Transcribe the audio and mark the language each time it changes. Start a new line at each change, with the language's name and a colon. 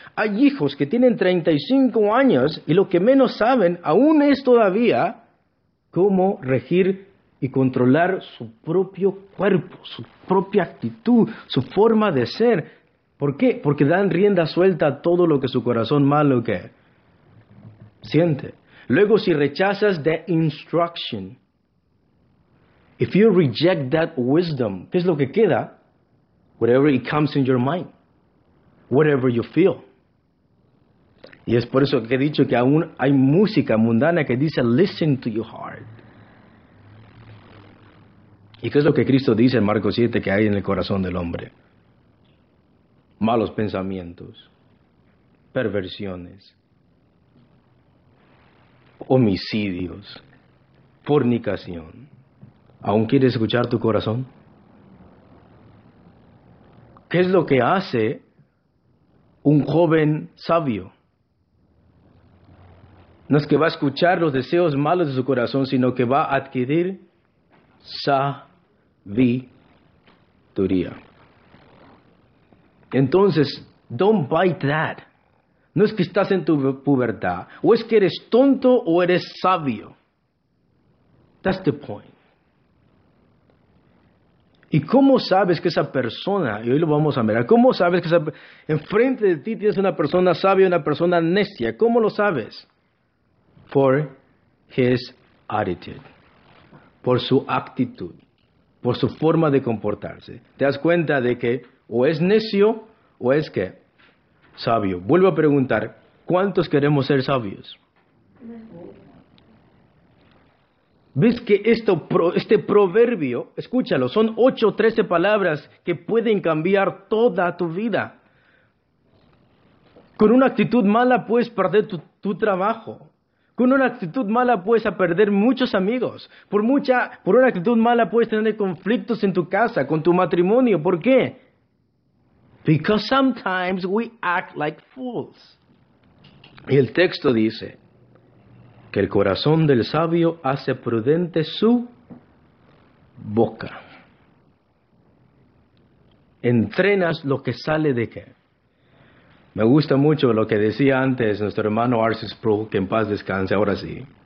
Spanish: Hay hijos que tienen 35 años y lo que menos saben aún es todavía cómo regir y controlar su propio cuerpo, su propia actitud, su forma de ser. ¿Por qué? Porque dan rienda suelta a todo lo que su corazón malo que siente. Luego, si rechazas
English: the instruction, if you reject that wisdom,
Spanish: ¿qué es lo que queda?
English: Whatever it comes in your mind, whatever you feel.
Spanish: Y es por eso que he dicho que aún hay música mundana que dice,
English: listen to your heart.
Spanish: ¿Y qué es lo que Cristo dice en Marcos 7 que hay en el corazón del hombre? Malos pensamientos, perversiones, homicidios, fornicación. ¿Aún quieres escuchar tu corazón? ¿Qué es lo que hace un joven sabio? No es que va a escuchar los deseos malos de su corazón, sino que va a adquirir sabiduría. Entonces,
English: don't bite that.
Spanish: No es que estás en tu pubertad. O es que eres tonto o eres sabio.
English: That's the point.
Spanish: ¿Y cómo sabes que esa persona, y hoy lo vamos a mirar, cómo sabes que esa, enfrente de ti tienes una persona sabia, una persona necia? ¿Cómo lo sabes?
English: For his attitude.
Spanish: Por su actitud. Por su forma de comportarse. Te das cuenta de que o es necio o es que sabio. Vuelvo a preguntar, ¿cuántos queremos ser sabios? ¿Ves que este proverbio, escúchalo, son 8 o 13 palabras que pueden cambiar toda tu vida? Con una actitud mala puedes perder tu trabajo. Con una actitud mala puedes perder muchos amigos. Por una actitud mala puedes tener conflictos en tu casa, con tu matrimonio. ¿Por qué?
English: Because sometimes we act like fools.
Spanish: Y el texto dice que el corazón del sabio hace prudente su boca. Entrenas lo que sale de qué. Me gusta mucho lo que decía antes nuestro hermano Arce Sproul, que en paz descanse, ahora sí.